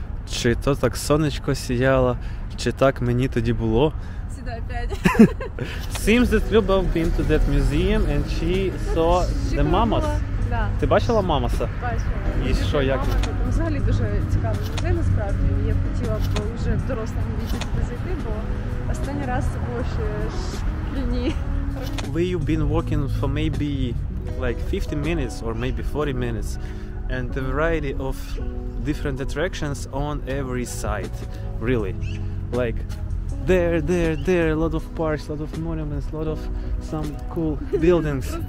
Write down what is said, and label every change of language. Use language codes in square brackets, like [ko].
[uk] Чи то так сонечко сіяло, чи так мені тоді було? Сідай п'ять. [en] Seems that Luba been to that museum and she saw the mammoth. [uk] Да. Ти бачила мамоса? Бачила. І що, як? Взагалі дуже цікавий музей, насправді. Я б хотіла б вже в дорослому віці туди зайти, бо останній раз це було ще шкільні. [en] Where you been walking for maybe like 50 minutes or maybe 40 minutes and the variety of different attractions on every side, really, like there, a lot of parks, a lot of monuments, a lot of some cool buildings.